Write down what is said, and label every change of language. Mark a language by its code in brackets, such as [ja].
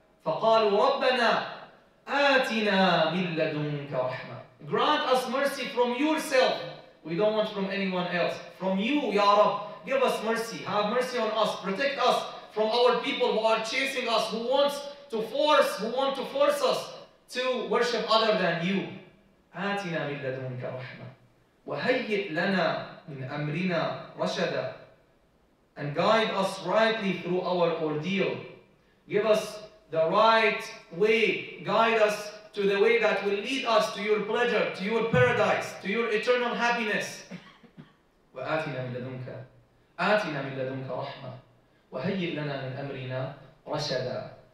[ar] فَقَالُوا رَبَّنَا آتِنَا مِن لَّدُنكَ رَحْمًا. [en] Grant us mercy from yourself. We don't want from anyone else. From you, Ya Rabb, give us mercy. Have mercy on us. Protect us from our people who are chasing us, who want to force us to worship other than you. [ar] آتنا من لدنك رحمة وهيئ لنا من أمرنا رشدا. [en] And guide us rightly through our ordeal. Give us the right way. Guide us to the way that will lead us to your pleasure, to your paradise, to your eternal happiness. [ar] آتنا من لدنك رحمة وهيئ لنا من أمرنا رشدا.